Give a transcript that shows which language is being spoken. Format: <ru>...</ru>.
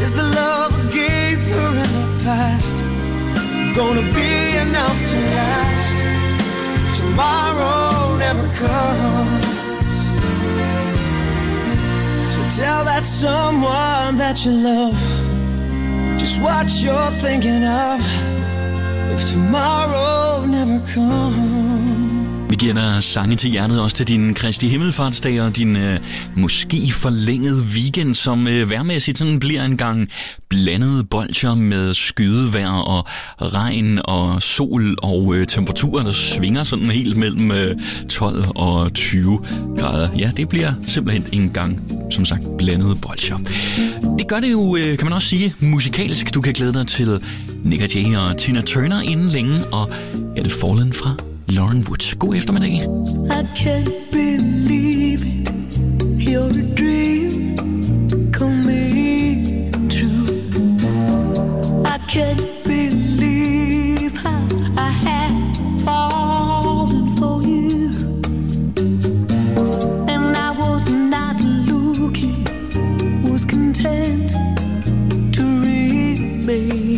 <en>Is the love I gave her in the past gonna be enough to last if tomorrow never comes? So tell that someone that you love just what you're thinking of. If tomorrow never comes.</en> <da>Vi giver sange til hjertet også til din Kristi Himmelfartsdag og din måske forlængede weekend, som vejrmæssigt sådan bliver en gang blandede bolcher med skydevejr og regn og sol og temperaturer, der svinger sådan helt mellem 12 og 20 grader. Ja, det bliver simpelthen en gang, som sagt, blandede bolcher. Det gør det jo, kan man også sige, musikalsk. Du kan glæde dig til Nick & Jay og Tina Turner inden længe, og er det Fallen fra Lauren Wood. God eftermiddag.</da> <en>I can't believe it, your dream coming true. I can't believe how I had fallen for you, and I was not looking, was content to remain.</en>